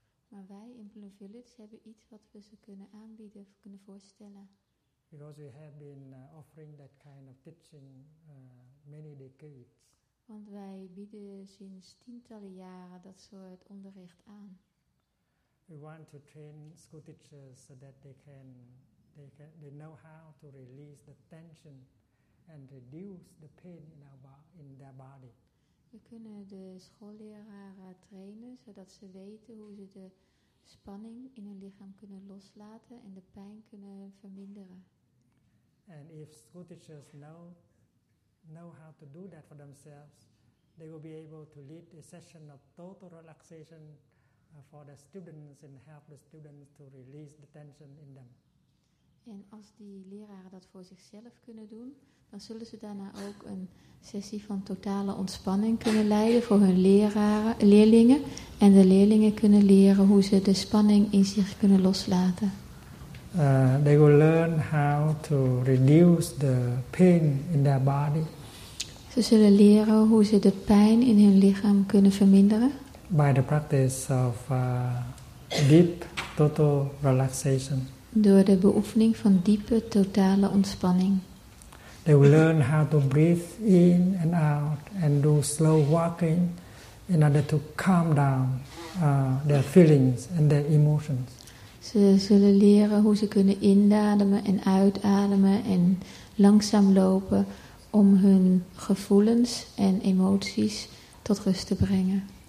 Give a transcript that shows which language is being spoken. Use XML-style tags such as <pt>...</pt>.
<nl>Maar wij in Plum Village hebben iets wat we ze kunnen aanbieden of kunnen voorstellen.</nl> <en>Because we have been offering that kind of teaching many decades.</en> <nl>Want wij bieden sinds tientallen jaren dat soort onderricht aan.</nl> <en>We want to train school teachers so that they know how to release the tension and reduce the pain in their body.</en> <nl>We kunnen de schoolleraren trainen zodat ze weten hoe ze de spanning in hun lichaam kunnen loslaten en de pijn kunnen verminderen.</nl> <en>And if school teachers know how to do that for themselves, they will be able to lead a session of total relaxation for the students and help the students to release the tension in them.</en> <nl>En als die leraren dat voor zichzelf kunnen doen, dan zullen ze daarna ook een sessie van totale ontspanning kunnen leiden voor hun leerlingen. En de leerlingen kunnen leren hoe ze de spanning in zich kunnen loslaten.</nl> <en>They will learn how to reduce the pain in their body.</en> <nl>Ze zullen leren hoe ze de pijn in hun lichaam kunnen verminderen.</nl> <en>By the practice of deep total relaxation.</en> <nl>Door de beoefening van diepe totale ontspanning.</nl> <en>They will learn how to breathe in and out and do slow walking in order to calm down their feelings and their emotions.</en> <nl>Ze zullen leren hoe ze kunnen inademen en uitademen en langzaam lopen om hun gevoelens en emoties tot rust te brengen.</nl>